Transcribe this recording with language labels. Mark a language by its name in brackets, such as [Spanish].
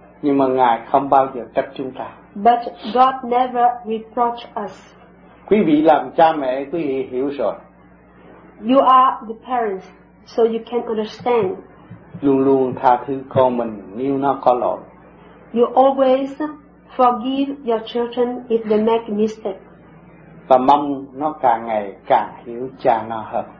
[Vietnamese] Nhưng mà Ngài không bao giờ trách chúng ta. [English] But God never reproach us. [Vietnamese] Quý vị làm cha mẹ, quý vị hiểu rồi. [English] You are the parents, so you can understand. [Vietnamese] Luôn luôn tha thứ con mình nếu nó có lỗi. [English] You always forgive your children if they make mistakes. [Vietnamese] Và mong nó càng ngày càng hiểu cha nó hơn.